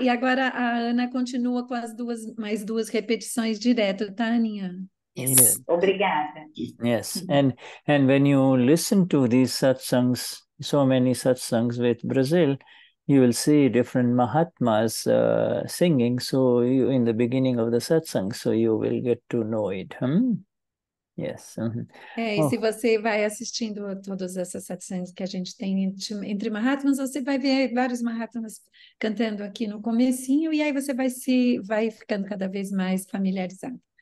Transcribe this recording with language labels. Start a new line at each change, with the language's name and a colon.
Portuguese: E agora a Ana continua com as duas, mais duas repetições direto, tá, Aninha?
English: Yes. Yes.
Portuguese: Obrigada.
English: Yes, and when you listen to these satsangs, so many satsangs with Brazil, you will see different mahatmas singing. So you in the beginning of the satsang, so you will get to know it. Yes.
Portuguese: É, e se você vai assistindo todas essas sessões que a gente tem entre Mahatmas, você vai ver vários Mahatmas cantando aqui no comecinho, e aí você vai ficando cada vez mais familiarizado.